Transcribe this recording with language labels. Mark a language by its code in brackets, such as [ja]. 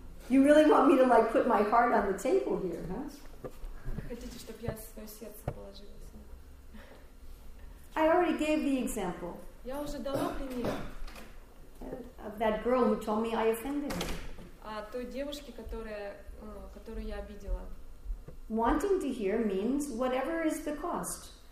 [en] You really want me to like put my heart on the table here, huh? [ru] Хотите, чтобы я свое сердце положила? [en] I already gave the example. [ru] Я уже дала пример. [en] Of that girl who told me I offended her. [ru] А той девушке, которую я обидела. [en] Wanting to hear means whatever is the cost.